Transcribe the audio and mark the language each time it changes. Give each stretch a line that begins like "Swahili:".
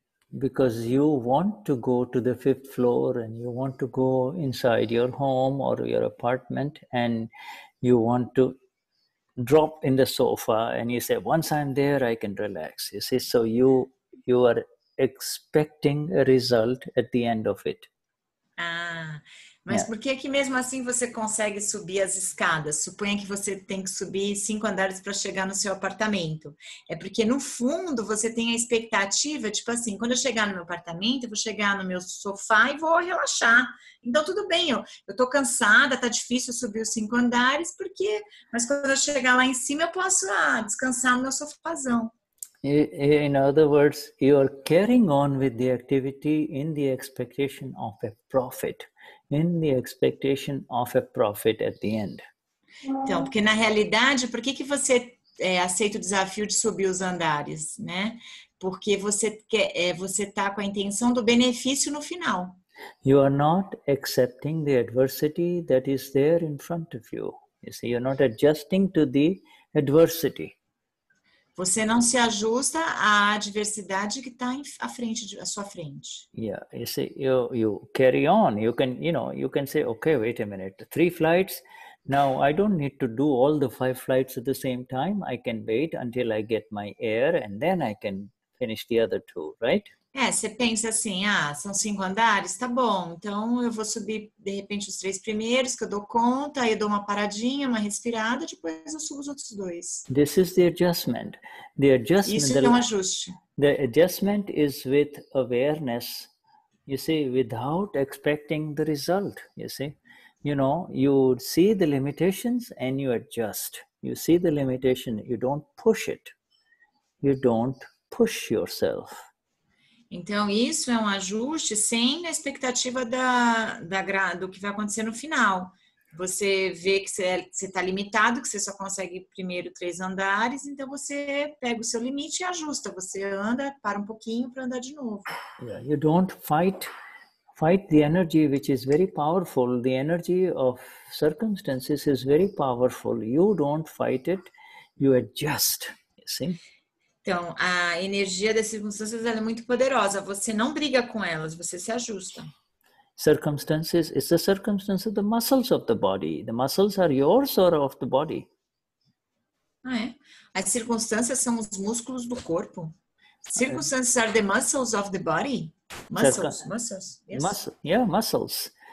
English: Because you want to go to the 5th floor and you want to go inside your home or your apartment and you want to drop in the sofa and you say, once I'm there, I can relax. You see, so you are expecting a result at the end of it. Ah.
Portuguese: Mas por que que mesmo assim você consegue subir as escadas? Suponha que você tem que subir 5 andares para chegar no seu apartamento. É porque no fundo você tem a expectativa, tipo assim, quando eu chegar no meu apartamento, eu vou chegar no meu sofá e vou relaxar. Então tudo bem, eu tô cansada, tá difícil subir os 5 andares, porque... Mas quando eu chegar lá em cima, eu posso descansar no meu sofazão.
English: In other words, you are carrying on with the activity in the expectation of a profit. In the expectation of a profit at the end.
Portuguese: Então, porque na realidade, por que que você aceita o desafio de subir os andares, né? Porque você quer, você tá com a intenção do benefício no final.
English: You are not accepting the adversity that is there in front of you. You see, you're not adjusting to the adversity.
Portuguese: Você não se ajusta à adversidade que está à frente, à sua frente.
English: Yeah, you see, you carry on. You can, you know, you can say, okay, wait a minute. 3 flights. Now, I don't need to do all the 5 flights at the same time. I can wait until I get my air and then I can finish the other 2, right?
Portuguese: Você pensa assim, são 5 andares, tá bom. Então, eu vou subir, de repente, os 3 primeiros, que eu dou conta, aí eu dou uma paradinha, uma respirada, depois eu subo os outros 2.
English: This is the adjustment.
Portuguese: Isso é um ajuste.
English: The adjustment is with awareness, you see, without expecting the result, you see. You know, you see the limitations and you adjust. You see the limitation, you don't push it. You don't push yourself.
Portuguese: Então, isso é um ajuste sem a expectativa do que vai acontecer no final. Você vê que você está limitado, que você só consegue primeiro 3 andares, então você pega o seu limite e ajusta. Você anda, para um pouquinho para andar de novo.
English: Yeah, you don't fight the energy which is very powerful. The energy of circumstances is very powerful. You don't fight it, you adjust. See?
Portuguese: Então, a energia das circunstâncias ela é muito poderosa. Você não briga com elas, você se ajusta.
English: Circumstances, it's the circumstance of the muscles of the body. The muscles are yours or of the body?
Portuguese: Ah, é? As circunstâncias são os músculos do corpo.
English: Circumstances are the muscles of the body. Muscles, yes. Muscles.